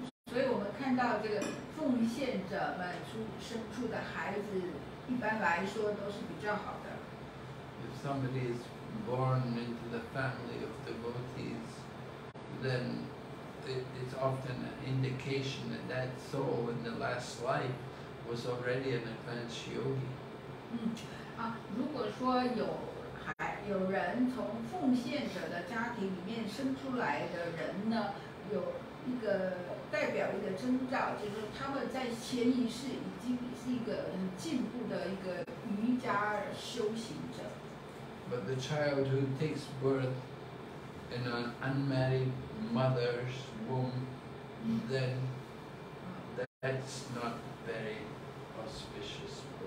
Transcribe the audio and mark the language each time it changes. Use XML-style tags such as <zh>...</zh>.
<zh>所以我们看到这个奉献者们生出的孩子，一般来说都是比较好的。</zh> <en>If somebody is born into the family of devotees. Then it's often an indication that that soul in the last life was already an advanced yogi.</en> <zh>如果说有人从奉献者的家庭里面生出来的人呢，有一个代表一个征兆，就是他们在前一世已经是一个很进步的一个瑜伽修行者。</zh> <en>But the child who takes birth. In an unmarried mother's womb, then that's not very auspicious.</en>